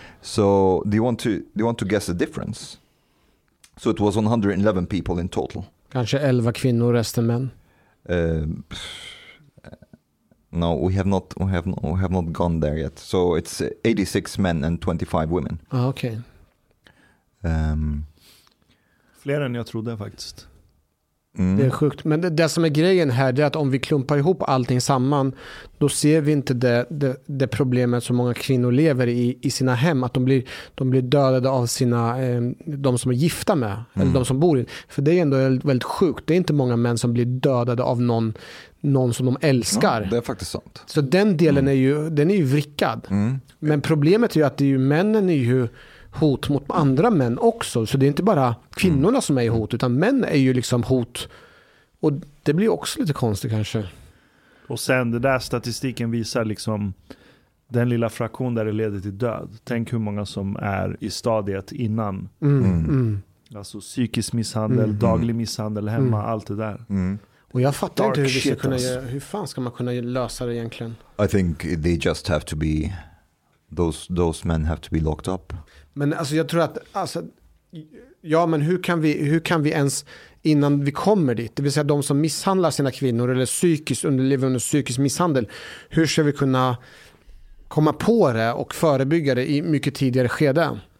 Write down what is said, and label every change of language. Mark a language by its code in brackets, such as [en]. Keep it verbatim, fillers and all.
[en] So do you want to do you want to guess the difference? So it was one hundred eleven people in total. [sv] Kanske elva kvinnor, resten män. [en] Uh, No, we have not, we have not, we have not gone there yet. So it's eighty-six men and twenty-five women. [sv] Ah, okej. Okay. Um, Fler än jag trodde faktiskt. Mm. Det är sjukt. Men det, det som är grejen här, det är att om vi klumpar ihop allting samman, då ser vi inte det, det, det problemet som många kvinnor lever i i sina hem, att de blir, de blir dödade av sina, eh, de som är gifta med, mm. eller de som bor i. För det är ändå väldigt sjukt. Det är inte många män som blir dödade av någon, någon som de älskar. Ja, det är faktiskt sant. Så den delen mm. är ju, den är ju vrickad. Mm. Men problemet är ju att det är ju, männen är ju hot mot andra män också. Så det är inte bara kvinnorna mm. som är i hot, utan män är ju liksom hot. Och det blir också lite konstigt kanske. Och sen det där statistiken visar liksom den lilla fraktion där det leder till död. Tänk hur många som är i stadiet innan. Mm. Mm. Alltså psykisk misshandel, mm. daglig misshandel hemma, mm. allt det där. Mm. Och jag fattar Dark inte hur, vi ska kunna, hur fan ska man kunna lösa det egentligen? [en] I think they just have to be those, those men have to be locked up. [sv] Men alltså jag tror att alltså, ja, men hur kan vi hur kan vi ens innan vi kommer dit, det vill säga de som misshandlar sina kvinnor eller psykiskt underlever under psykisk misshandel, hur ska vi kunna komma på det och förebygga det i mycket tidigare skede?